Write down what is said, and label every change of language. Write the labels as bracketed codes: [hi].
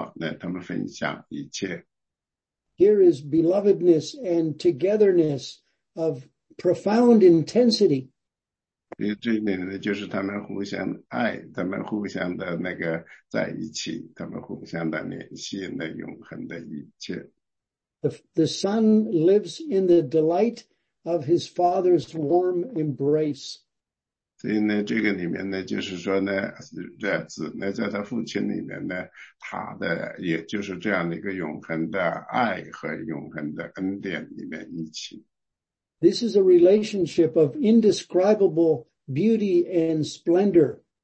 [zh] 对于这个父爱子，子也爱父，他们在那个就是说那个邻里的这样的交往呢，他们分享一切。 [en] Here is belovedness and togetherness of profound intensity. [zh] 这里面呢，就是他们互相爱，他们互相的那个在一起，他们互相的联系，那永恒的一切。 [en] The Son lives in the delight of his Father's warm embrace. [zh] 所以呢，这个里面呢，就是说呢，子呢，在他父亲里面呢，他的也就是这样的一个永恒的爱和永恒的恩典里面一起。 [en] This is a relationship of indescribable beauty and splendor.